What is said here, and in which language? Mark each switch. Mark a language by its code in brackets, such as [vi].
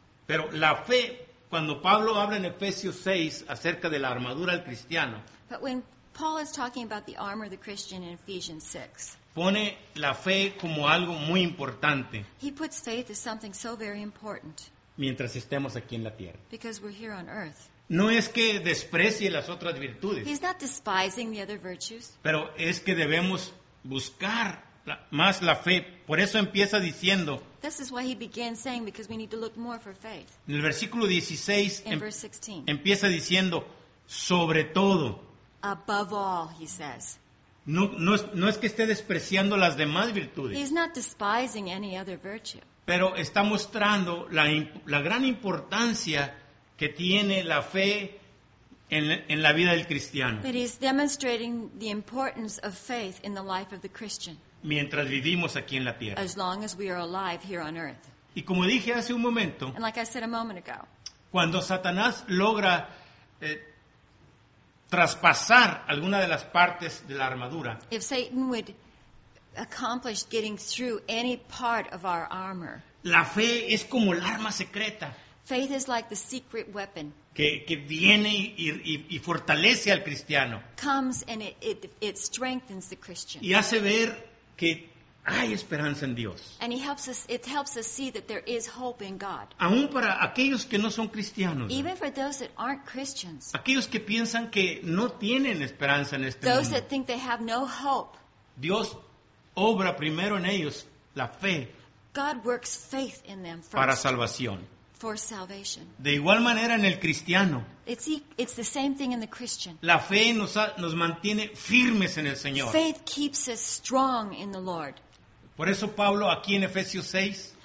[es] Pero la fe, cuando Pablo habla en Efesios 6 acerca de la armadura del cristiano, [en] but when Paul is talking about the armor of the Christian in Ephesians 6, [es] pone la fe como algo muy importante. [en] He puts faith as something so very important. [es] Mientras estemos aquí en la tierra. [en] Because we're here on earth. [es] No es que desprecie las otras virtudes. [en] He's not despising the other virtues. [es] Pero es que debemos buscar más la fe. Por eso empieza diciendo. [en] This is why he began saying because we need to look more for faith. [es] En el versículo 16. [en] In verse 16. [es] Empieza diciendo sobre todo. [en] Above all, he says. [es] No es que esté despreciando las demás virtudes. [en] He's not despising any other virtue. [es] pero está mostrando la gran importancia que tiene la fe en la vida del cristiano. [en] But he's demonstrating the importance of faith in the life of the Christian. [es] Mientras vivimos aquí en la tierra. [en] As long as we are alive here on earth. [es] Y como dije hace un momento, [en] and like I said a moment ago, [es] cuando Satanás logra traspasar alguna de las partes de la armadura, [en] if Satan would accomplish getting through any part of our armor, [es] la fe es como el arma secreta. [en] Faith is like the secret weapon. [es] Que viene y fortalece al cristiano. [en] Comes and it strengthens the Christian. [es] Y hace ver que hay esperanza en Dios. [en] And it helps us see that there is hope in God. [es] Aún para aquellos que no son cristianos. [en] Even for those that aren't Christians. [es] Aquellos que piensan que no tienen esperanza en este [en] those [es] mundo. [en] Those that think they have no hope. [es] Dios obra primero en ellos la fe. [en] God works faith in them first. [es] Para salvación. [en] For salvation. [es] De igual manera en el cristiano. [en] It's the same thing in the Christian. [es] La fe nos mantiene firmes en el Señor. [en] Faith keeps us strong in the Lord. [es] Por eso Pablo aquí en Efesios 6.